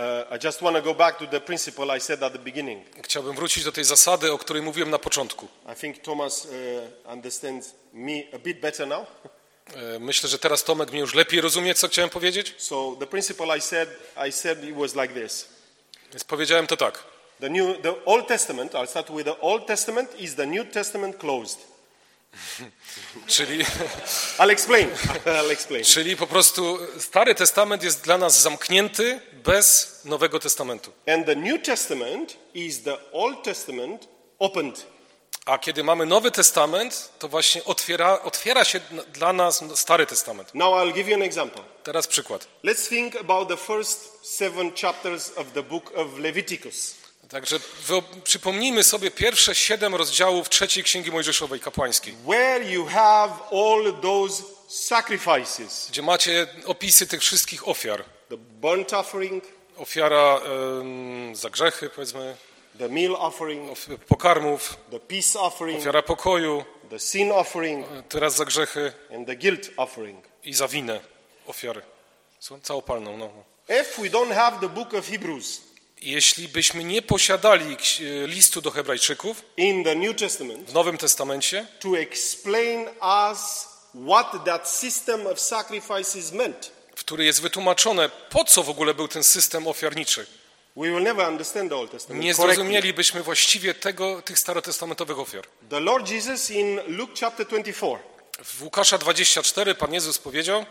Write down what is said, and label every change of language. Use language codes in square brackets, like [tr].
[en] I just want to go back to the principle I said at the beginning. [pl] Chciałbym wrócić do tej zasady, o której mówiłem na początku. [en] I think Thomas understands me a bit better now. [pl] Myślę, że teraz Tomek mnie już lepiej rozumie, co chciałem powiedzieć. [en] So the principle I said it was like this. [pl] Więc powiedziałem to tak. [en] The Old Testament, I'll start with the Old Testament, is the New Testament closed. [pl] Czyli [en] I'll explain. [pl] Czyli po prostu Stary Testament jest dla nas zamknięty bez Nowego Testamentu. [en] And the New Testament is the Old Testament opened. [pl] A kiedy mamy Nowy Testament, to właśnie otwiera się dla nas Stary Testament. [en] Now I'll give you an example. [pl] Teraz przykład. [en] Let's think about the first seven chapters of the book of Leviticus. [pl] Także przypomnijmy sobie pierwsze siedem rozdziałów trzeciej Księgi Mojżeszowej kapłańskiej. [en] Where you have all those sacrifices. [pl] Gdzie macie opisy tych wszystkich ofiar. [en] The burnt offering. [pl] Ofiara za grzechy, powiedzmy. [en] The meal offering. [pl] Pokarmów. [en] The peace offering. [pl] Ofiara pokoju. [en] The sin offering. [pl] Teraz za grzechy. [en] And the guilt offering. [pl] I za winę ofiary. Całopalną. No. [en] If we don't have the book of Hebrews. [pl] Jeśli byśmy nie posiadali listu do Hebrajczyków [en] in the New Testament, [pl] w Nowym Testamencie, [en] to explain us what that system of sacrifices meant, [pl] w który jest wytłumaczone, po co w ogóle był ten system ofiarniczy, [en] we will never understand the Old Testament, [pl] nie zrozumielibyśmy właściwie tych starotestamentowych ofiar. [en] The Lord Jesus in Luke chapter 24, [pl] w Łukasza 24 Pan Jezus powiedział,